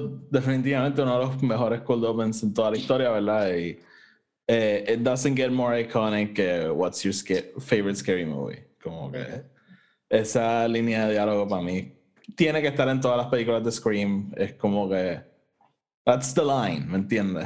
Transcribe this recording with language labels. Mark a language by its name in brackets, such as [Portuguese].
[Spanish] Definitivamente uno de los mejores cold opens en toda la historia, ¿verdad? [English] Y it doesn't get more iconic que what's your favorite scary movie. [Spanish] Como que esa línea de diálogo para mí tiene que estar en todas las películas de Scream. Es como que [English] that's the line, [Spanish] ¿me entiendes?